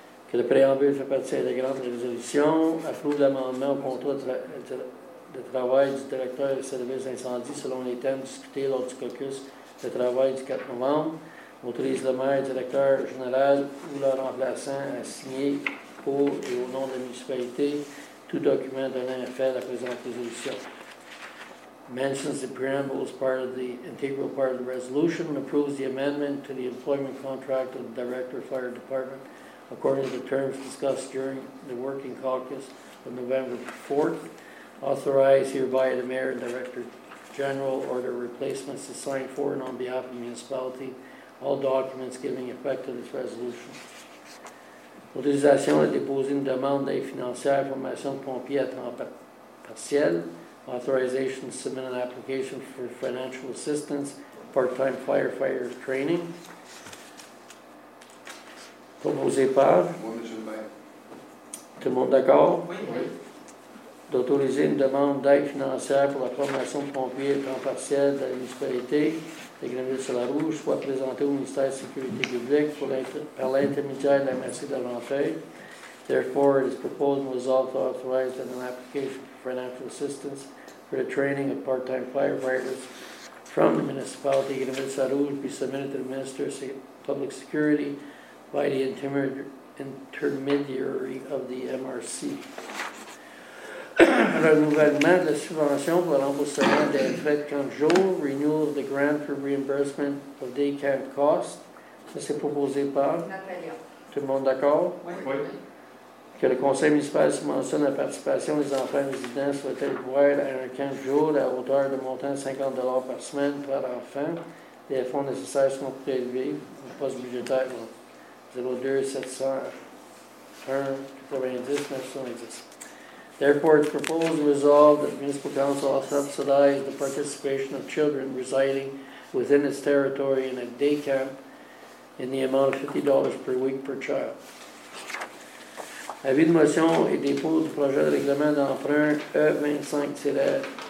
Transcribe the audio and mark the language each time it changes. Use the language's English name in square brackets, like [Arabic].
[French] Que le préambule fait partie de la grande résolution. Approuve l'amendement au contrat de travail du directeur service incendie selon les thèmes discutés lors du caucus de travail du 4 novembre. Autorise le maire, directeur général ou le remplaçant à signer pour et au nom de la municipalité tout document donnant effet à la présente résolution. [English] Mentions the preamble as part of the integral part of the resolution and approves the amendment to the employment contract of the director of fire department according to the terms discussed during the working caucus on November 4th. Authorized hereby the mayor and director general order replacements to sign for and on behalf of the municipality all documents giving effect to this resolution. [French] Autorisation de déposer une demande d'aide financière à formation de pompiers à temps partiel. [English] Authorization to submit an application for financial assistance, part-time firefighter training. [French] Proposé par? Moi, monsieur. Tout le monde d'accord? Oui. D'autoriser une demande d'aide financière pour la formation de pompiers à temps partiel de la municipalité de Grenville-sur-la-Rouge soit présenté au ministère de la Sécurité publique pour par l'intermédiaire de la MRC de l'Enfer. [English] Therefore, it is proposed and resolved to authorize an application for financial assistance for the training of part-time firefighters from the municipality de Grenville-sur-la-Rouge be submitted to the Minister of Public Security by the intermediary of the MRC. [French] Renouvellement de la subvention pour remboursement des frais de camp de jour. [English] Renewal of the grant for reimbursement of day camp costs. [French] Ça, c'est proposé par? Nathalie. Tout le monde d'accord? Oui. Que le conseil municipal subventionne la participation des enfants résidents sur le territoire à un camp de jour à hauteur de montant $50 par semaine par enfant. Les fonds nécessaires sont prélevés au poste budgétaire 02-701-90-90. [English] Therefore, it's proposed and resolved that the Municipal Council subsidize the participation of children residing within its territory in a day camp in the amount of $50 per week per child. [French] Avis de motion et dépôt du projet de règlement d'emprunt E25-1